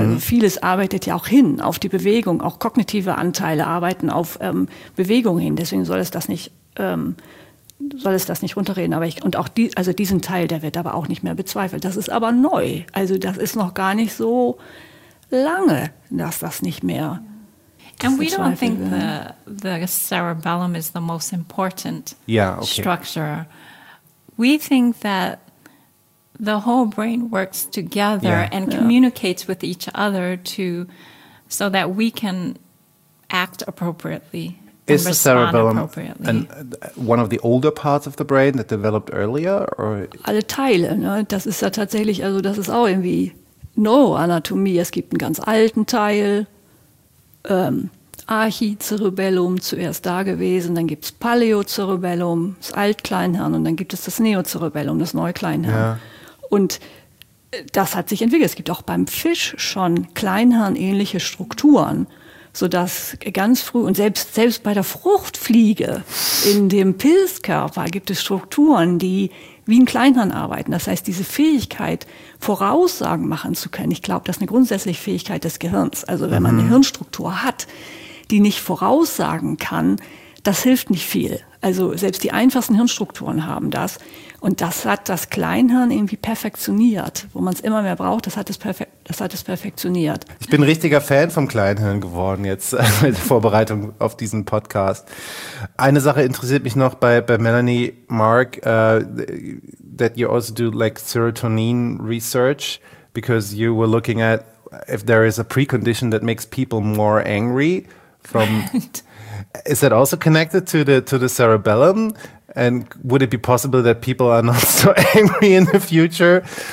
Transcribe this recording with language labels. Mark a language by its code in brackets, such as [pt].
[de] Also vieles arbeitet ja auch hin auf die Bewegung. Auch kognitive Anteile arbeiten auf Bewegung hin. Deswegen soll es das nicht runterreden. Aber diesen Teil, der wird aber auch nicht mehr bezweifelt. Das ist aber neu. Also das ist noch gar nicht so lange, dass das nicht mehr. [en] And we don't think the cerebellum is the most important structure. We think that the whole brain works together and communicates with each other so that we can act appropriately. Is the cerebellum one of the older parts of the brain that developed earlier? Or? [de] Alle Teile, ne? Das ist ja tatsächlich, also das ist auch irgendwie Neuroanatomie. Es gibt einen ganz alten Teil, Archicerebellum zuerst da gewesen, dann gibt es Paleocerebellum, das Altkleinhirn, und dann gibt es das Neocerebellum, das Neukleinhirn. Ja. Und das hat sich entwickelt. Es gibt auch beim Fisch schon kleinhirnähnliche Strukturen, sodass ganz früh, und selbst bei der Fruchtfliege in dem Pilzkörper gibt es Strukturen, die wie ein Kleinhirn arbeiten. Das heißt, diese Fähigkeit, Voraussagen machen zu können, ich glaube, das ist eine grundsätzliche Fähigkeit des Gehirns. Also wenn man eine Hirnstruktur hat, die nicht voraussagen kann, das hilft nicht viel. Also selbst die einfachsten Hirnstrukturen haben das. Und das hat das Kleinhirn irgendwie perfektioniert. Wo man es immer mehr braucht, das hat es perfektioniert. Ich bin ein richtiger Fan vom Kleinhirn geworden jetzt mit der Vorbereitung auf diesen Podcast. Eine Sache interessiert mich noch bei [en] Melanie Mark, that you also do like serotonin research, because you were looking at if there is a precondition that makes people more angry from... Right. Is that also connected to the cerebellum? And would it be possible that people are not so angry in the future?